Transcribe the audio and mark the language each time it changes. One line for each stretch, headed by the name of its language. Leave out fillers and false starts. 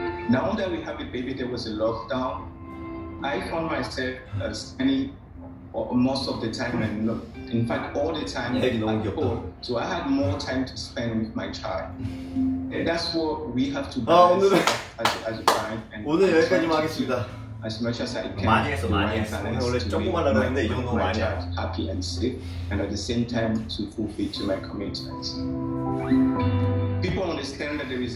English: Now that we have a baby, there was a lockdown. I found myself spending most of the time, and in fact, all the time at home. So I had more time to spend with my child. And that's what we have to do as a parent.
Korean: And 오늘 여기까지만 하겠습니다.
English: As much as I can.
Korean: 많이 했어, 많이 했어. 원래 조금만 하라고 했는데 이 정도 많이 하죠.
English: Happy and safe, and at the same time to fulfill to my commitments. People understand that there is.